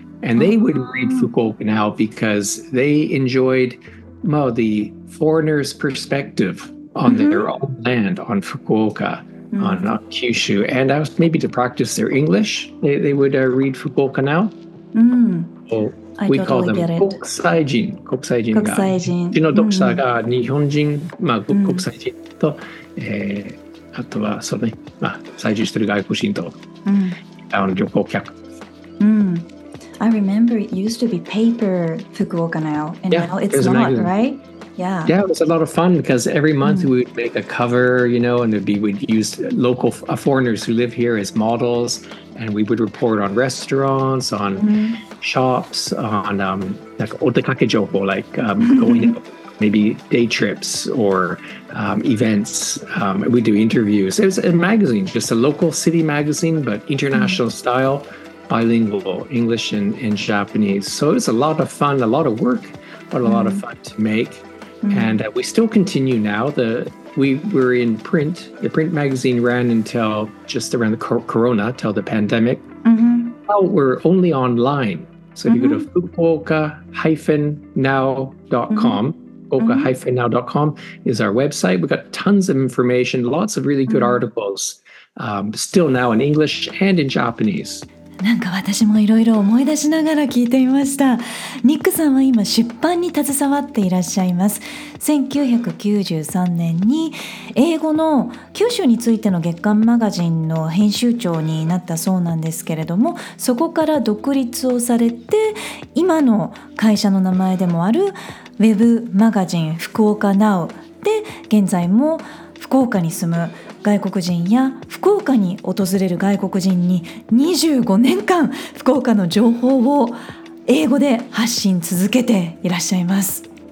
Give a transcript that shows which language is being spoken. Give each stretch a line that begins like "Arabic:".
English: And they would read Fukuoka Now because they enjoyed the foreigner's perspective on their own land, on Fukuoka. On Kyushu, and I was maybe to practice their English, they would read Fukuoka Now. So we call them Kokusaijin. Kokusaijin.
Japanese: うちの読者が日本人、国際人と、あとはそうね、在住してる外国人と、旅行客。
English: I remember it used to be paper Fukuoka Now, and now it's not, right? Yeah, it was a lot of fun because every month we would make a cover, you know, and we'd use local foreigners who live here as models, and we would report on restaurants, on shops, on otekake jōbō, like going out, maybe day trips or events. We'd do interviews. It was a magazine, just a local city magazine, but international style, bilingual, English and Japanese. So it was a lot of fun, a lot of work, but a lot of fun to make. And we still continue now. We were in print. The print magazine ran until just around the corona, till the pandemic. Now we're only online. So if you go to fukuoka-now.com, fukuoka-now.com is our website. We've got tons of information, lots of really good articles, still now in English and in Japanese.
Japanese: なんか私もいろいろ思い出しながら聞いてみました。ニックさんは今出版に携わっていらっしゃいます。 1993年に英語の九州についての月刊マガジンの編集長になったそうなんですけれども、そこから独立をされて、今の会社の名前でもあるウェブマガジン福岡 Now で、現在も福岡に住む外国人や福岡に訪れる外国人に25年間福岡の情報を英語で発信続けていらっしゃいます。